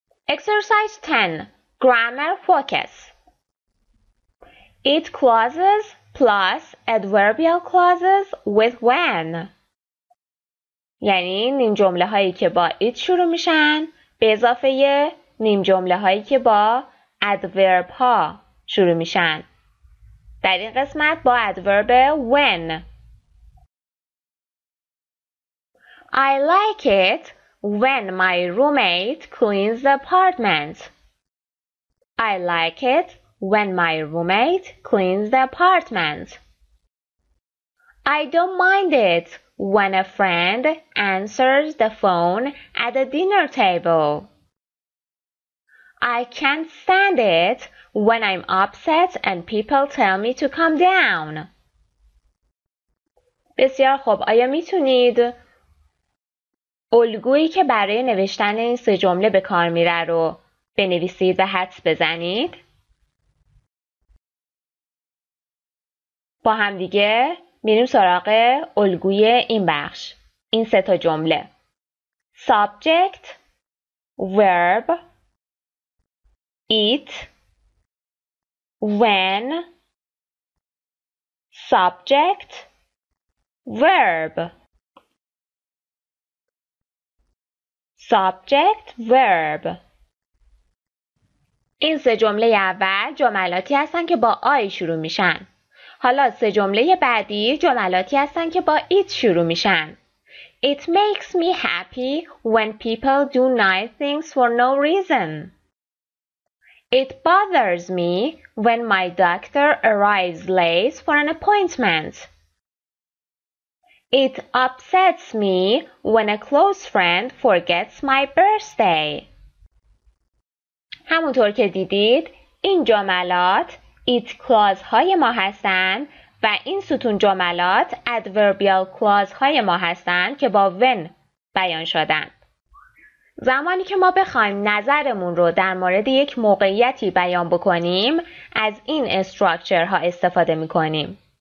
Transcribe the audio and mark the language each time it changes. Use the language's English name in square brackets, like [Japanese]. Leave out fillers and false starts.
[English] Exercise 10. Grammar focus. It clauses plus adverbial clauses with when. [Persian] یعنی نیم جمله هایی که با it شروع میشن به اضافه نیم جمله هایی که با adverb ها شروع میشن. در این قسمت با adverb when. [English] I like it when my roommate cleans the apartment. I like it when my roommate cleans the apartment. I don't mind it when a friend answers the phone at the dinner table. I can't stand it when I'm upset and people tell me to calm down. [Persian] بسیار خوب، آیا میتونید الگویی که برای نوشتن این سه جمله به کار میره رو بنویسید و حدس بزنید؟ با هم دیگه میریم سراغ الگوی این بخش، این سه تا جمله. [English] Subject, verb, it, when, subject, verb. Subject, verb. [Persian] این سه جمله اول جملاتی هستن که با آی شروع میشن. حالا سه جمله بعدی جملاتی هستن که با it شروع میشن. [English] It makes me happy when people do nice things for no reason. It bothers me when my doctor arrives late for an appointment. It upsets me when a close friend forgets my birthday. [Persian] همونطور که دیدید این جملات it clause های ما هستن و این ستون جملات adverbial clause های ما هستن که با when بیان شدن. زمانی که ما بخوایم نظرمون رو در مورد یک موقعیتی بیان بکنیم از این structure ها استفاده می کنیم.